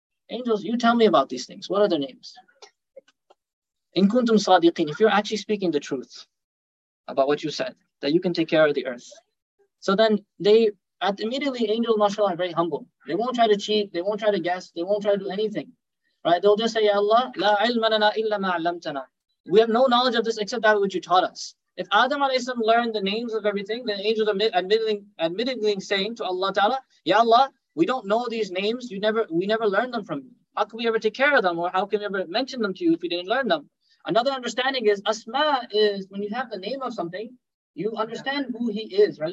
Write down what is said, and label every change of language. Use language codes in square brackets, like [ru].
[en] Angels, you tell me about these things. What are their names? [ar] إِن كُنْتُمْ صَادِقِينَ. [en] If you're actually speaking the truth about what you said, that you can take care of the earth. So then they, immediately, angels, mashallah, are very humble. They won't try to cheat. They won't try to guess. They won't try to do anything. Right? They'll just say, Ya Allah, [ar] لَا عِلْمَ لَنَا إِلَّا مَا عَلَّمْتَنَا. [en] We have no knowledge of this except that which you taught us. If Adam alayhi salam learned the names of everything, then angels are admittedly saying to Allah Ta'ala, Ya Allah, we don't know these names. We never learned them from you. How can we ever take care of them? Or how can we ever mention them to you if we didn't learn them? Another understanding is, asma is when you have the name of something, you understand who he is, right?